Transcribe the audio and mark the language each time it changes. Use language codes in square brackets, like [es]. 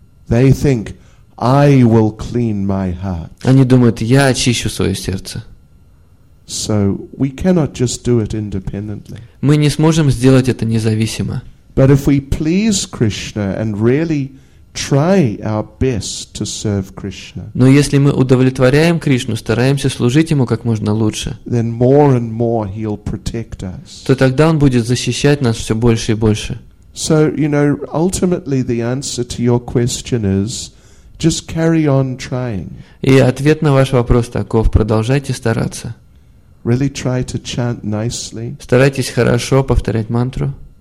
[en] They think I will clean my heart. [ru] Они думают, я очищу свое сердце. [en] So we cannot just do it independently. [ru] Мы не сможем сделать это независимо. [en] But if we please Krishna and really try our best to serve Krishna. [ru] Но если мы удовлетворяем Кришну, стараемся служить ему как можно лучше. [en] Then more and more he'll protect us. [ru] То тогда он будет защищать нас все больше и больше. [en] So, you know, ultimately the answer to your question is just carry on trying. [ru] И ответ на ваш вопрос таков: продолжайте стараться. [en] Really try to chant nicely. [ru] Старайтесь хорошо повторять мантру.